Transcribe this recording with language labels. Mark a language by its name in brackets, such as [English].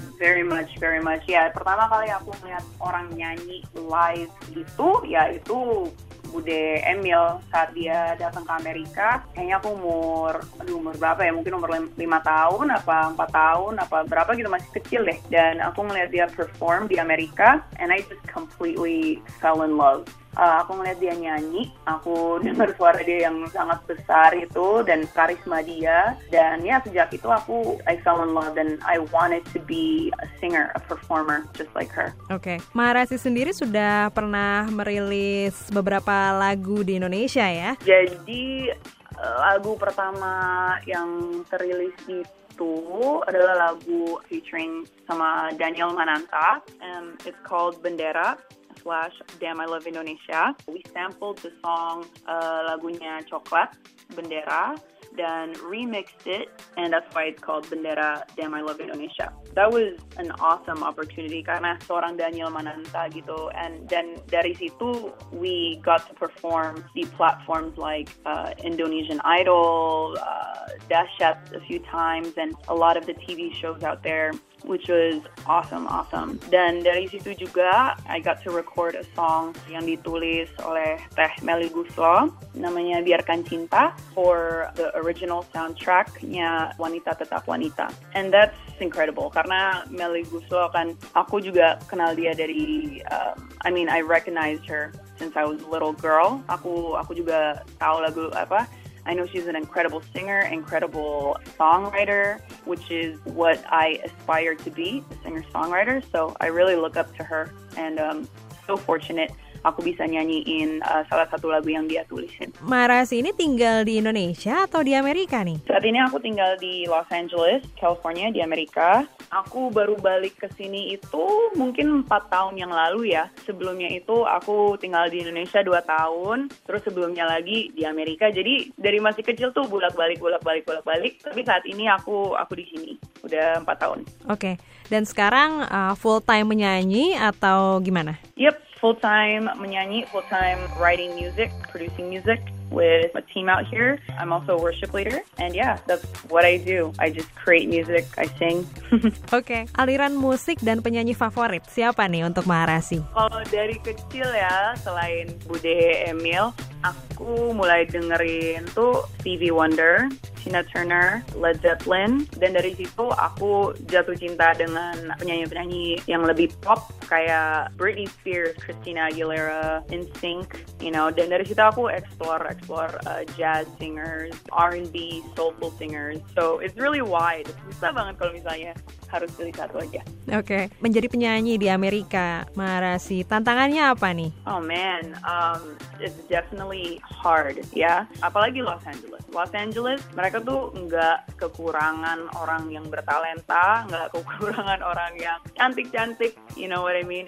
[English] Very much. [Indonesian] Ya, pertama kali aku melihat orang nyanyi live gitu, ya itu bude Emil saat dia datang ke Amerika. Kayaknya aku umur 5 tahun, apa 4 tahun, apa berapa gitu, masih kecil deh. Dan aku melihat dia perform di Amerika, [English] and I just completely fell in love. [Indonesian] Aku ngeliat dia nyanyi, aku dengar suara dia yang sangat besar itu, dan karisma dia. Dan ya, sejak itu [English] I fell in love and I wanted to be a singer, a performer, just like her. Okay. [Indonesian] Maharashi sendiri sudah pernah merilis beberapa lagu di Indonesia ya? Jadi, lagu pertama yang terilis itu adalah lagu featuring sama Daniel Mananta, [English] and it's called Bendera. /Damn I Love Indonesia. We sampled the song [Indonesian] lagunya Coklat, [English] Bendera, dan remixed it, and that's why it's called Bendera, Damn I Love Indonesia. That was an awesome opportunity [Indonesian] karena seorang Daniel Mananta gitu, [English] and then [Indonesian] dari situ [English] we got to perform di platforms like Indonesian Idol, Dahsyat a few times, and a lot of the TV shows out there, which was awesome. [Indonesian] Dan dari situ juga [English] I got to record a song [Indonesian] yang ditulis oleh [English] Teh Melly Guslo, namanya Biarkan Cinta, for the original soundtracknya Wanita Tetap Wanita. And that's incredible [Indonesian] karena Melly Guslo kan aku juga kenal dia dari [English] I recognized her since I was a little girl. [Indonesian] Aku juga tahu lagu apa. [English] I know she's an incredible singer, incredible songwriter, which is what I aspire to be, a singer-songwriter. So I really look up to her, and so fortunate [Indonesian] aku bisa nyanyiin salah satu lagu yang dia tulisin. Maharashi ini tinggal di Indonesia atau di Amerika nih? Saat ini aku tinggal di Los Angeles, California, di Amerika. Aku baru balik ke sini itu mungkin 4 tahun yang lalu ya. Sebelumnya itu aku tinggal di Indonesia 2 tahun, terus sebelumnya lagi di Amerika. Jadi dari masih kecil tuh bolak-balik. Tapi saat ini aku di sini, udah 4 tahun. Okay. Dan sekarang full time menyanyi atau gimana? [English] Yep. Full time menyanyi, full time writing music, producing music with a team out here. I'm also a worship leader, and yeah, that's what I do. I just create music, I sing. [Indonesian] Okay, aliran musik dan penyanyi favorit siapa nih untuk Maharashi? Kalau dari kecil ya, selain Bude Emil, aku mulai dengerin tuh Stevie Wonder, Tina Turner, Led Zeppelin. Dan dari situ aku jatuh cinta dengan penyanyi-penyanyi yang lebih pop kayak Britney Spears, Christina Aguilera, NSYNC, you know. Dan dari situ aku explore jazz singers, R&B, soulful singers. [English] So it's really wide. [Indonesian] Susah banget kalau misalnya harus pilih satu aja. Okay. Menjadi penyanyi di Amerika, Maharashi, tantangannya apa nih? [English] Oh man, it's definitely hard, ya. [Indonesian] Yeah? Apalagi Los Angeles. Los Angeles, mereka tuh nggak kekurangan orang yang bertalenta, nggak kekurangan orang yang cantik-cantik. [English] You know what I mean?